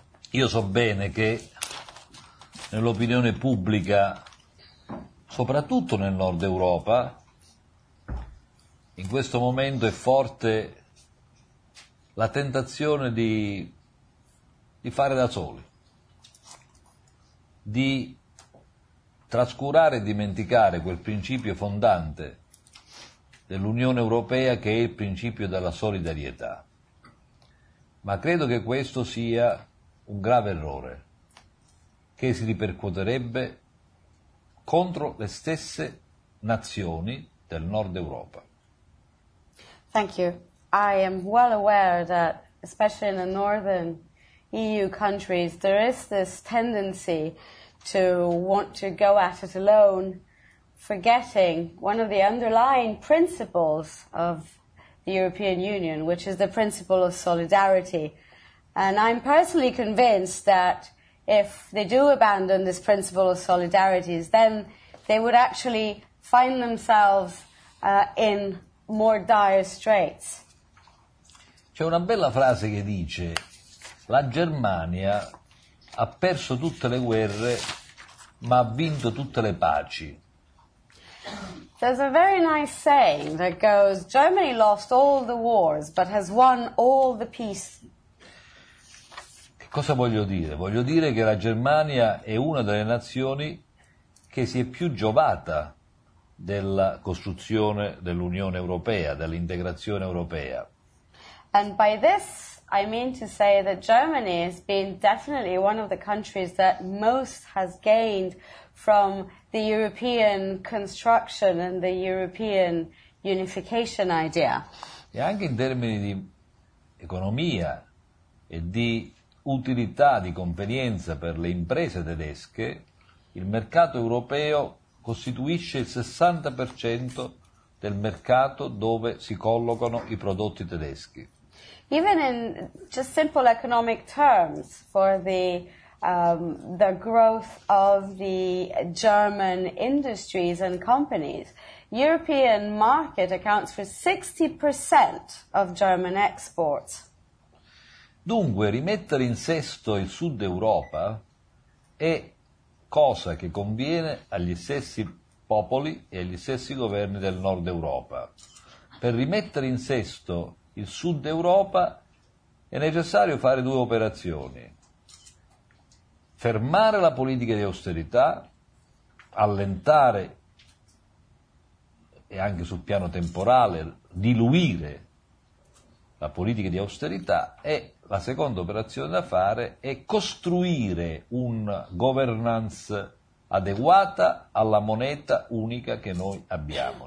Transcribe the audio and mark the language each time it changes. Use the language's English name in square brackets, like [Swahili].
[Italian] Io so bene che nell'opinione pubblica, soprattutto nel Nord Europa, in questo momento è forte la tentazione di fare da soli, di trascurare e dimenticare quel principio fondante dell'Unione Europea che è il principio della solidarietà. ma credo che questo sia un grave errore, che si ripercuoterebbe contro le stesse nazioni del Nord Europa. [English] Thank you. I am well aware that, especially in the northern EU countries, there is this tendency to want to go at it alone, forgetting one of the underlying principles of the European Union, which is the principle of solidarity. And I'm personally convinced that if they do abandon this principle of solidarity, then they would actually find themselves in more dire straits. [Italian] C'è una bella frase che dice: la Germania ha perso tutte le guerre, ma ha vinto tutte le paci. [English] There's a very nice saying that goes: Germany lost all the wars, but has won all the peace. [Italian] Che cosa voglio dire? Voglio dire che la Germania è una delle nazioni che si è più giovata della costruzione dell'Unione Europea, dell'integrazione europea. [English] And by this I mean to say that Germany has been definitely one of the countries that most has gained from the European construction and the European unification idea. [Italian] E anche in termini di economia e di utilità, di convenienza per le imprese tedesche, il mercato europeo costituisce il 60% del mercato dove si collocano i prodotti tedeschi. [English] Even in just simple economic terms, for the growth of the German industries and companies, European market accounts for 60% of German exports. [Italian] Dunque, rimettere in sesto il Sud Europa è cosa che conviene agli stessi popoli e agli stessi governi del Nord Europa. Per rimettere in sesto il Sud Europa è necessario fare due operazioni: fermare la politica di austerità, allentare e anche sul piano temporale diluire la politica di austerità, e la seconda operazione da fare è costruire una governance adeguata alla moneta unica che noi abbiamo.